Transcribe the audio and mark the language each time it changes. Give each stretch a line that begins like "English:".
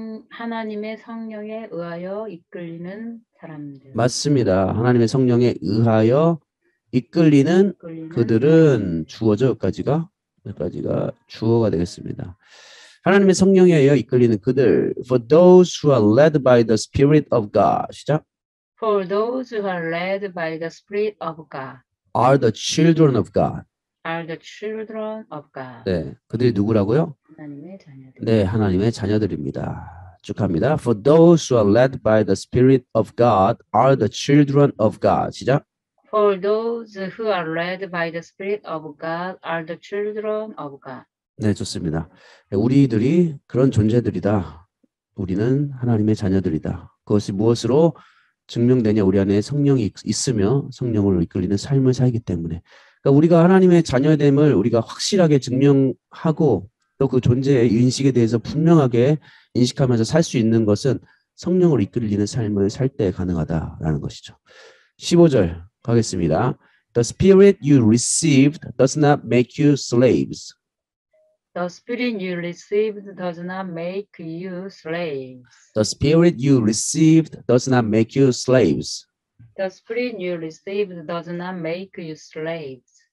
Korean: 하나님의 성령에 의하여 이끌리는 사람들. 맞습니다. 하나님의 성령에 의하여 이끌리는 그들은 주어죠, 여기까지가. 여기까지가 주어가 되겠습니다. 하나님의 성령에 의하여 이끌리는 그들.
English: For those who are led by the Spirit of God.
Korean: 시작.
English: For those who are led by the Spirit of God. Are the children of God. Are the children of God.
Korean: 네, 그들이 누구라고요? 하나님의 자녀들. 네, 하나님의 자녀들입니다. 축하합니다.
English: For those who are led by the Spirit of God are the children of God.
Korean: 시작.
English: For those who are led by the Spirit of God are the children of God.
Korean: 네, 좋습니다. 우리들이 그런 존재들이다. 우리는 하나님의 자녀들이다. 그것이 무엇으로 증명되냐? 우리 안에 성령이 있으며 성령을 이끌리는 삶을 살기 때문에. 우리가 하나님의 자녀됨을 우리가 확실하게 증명하고 또 그 존재의 인식에 대해서 분명하게 인식하면서 살 수 있는 것은 성령을 이끌리는 삶을 살 때 가능하다라는 것이죠. 15절 가겠습니다.
English: The spirit you received does not make you slaves. The spirit you received does not make you slaves. The spirit you received does not make you slaves. The spirit you received does not make you slaves.